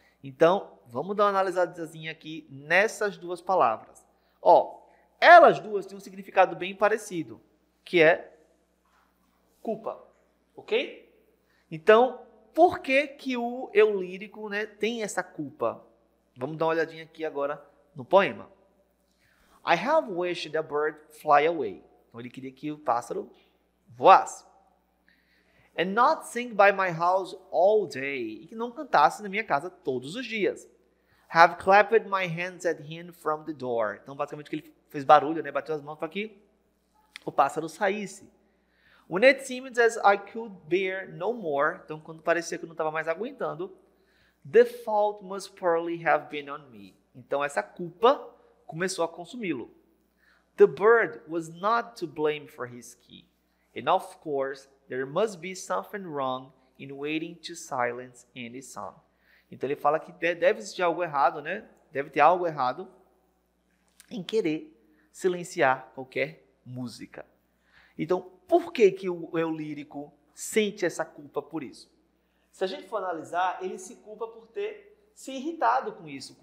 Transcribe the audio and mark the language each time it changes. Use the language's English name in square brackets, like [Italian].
[Portuguese] Então, vamos dar uma analisadinha aqui nessas duas palavras. Ó, elas duas têm um significado bem parecido, que é culpa, ok? Então... Por que que o eu lírico, né, tem essa culpa? Vamos dar uma olhadinha aqui agora no poema. [English] I have wished the bird fly away. [Portuguese] Então ele queria que o pássaro voasse. [English] And not sing by my house all day. [Portuguese] E que não cantasse na minha casa todos os dias. [English] Have clapped my hands at him from the door. [Portuguese] Então basicamente que ele fez barulho, né, bateu as mãos para que o pássaro saísse. [English] When it seemed as I could bear no more, [Portuguese] então quando parecia que eu não estava mais aguentando, [English] the fault must surely have been on me. [Portuguese] Então essa culpa começou a consumi-lo. [English] The bird was not to blame for his key. And of course, there must be something wrong in waiting to silence any song. [Portuguese] Então ele fala que deve existir algo errado, né? Deve ter algo errado em querer silenciar qualquer música. Então, por que que o eu lírico sente essa culpa por isso? Se a gente for analisar, ele se culpa por ter se irritado com isso.